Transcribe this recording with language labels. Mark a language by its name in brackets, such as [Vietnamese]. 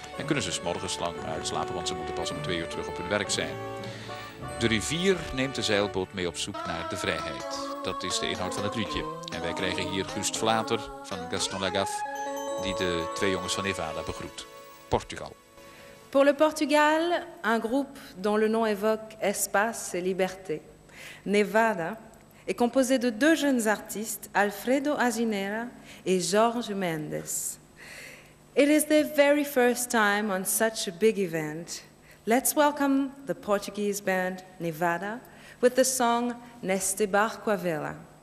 [Dutch] En kunnen ze 's morgens lang uitslapen, want ze moeten pas om 2 uur terug op hun werk zijn. De rivier neemt de zeilboot mee op zoek naar de vrijheid. Dat is de inhoud van het liedje. En wij krijgen hier Guust Vlater van Gaston Lagaffe, die de twee jongens van Nevada begroet. [French] Portugal. Pour le Portugal, un groupe dont le nom évoque espace et liberté. Nevada est composé de 2 jeunes artistes, Alfredo Azinera et Jorge Mendes. [English] It is their very first time on such a big event. Let's welcome the Portuguese band Nevada with the song Neste Barco a Vela.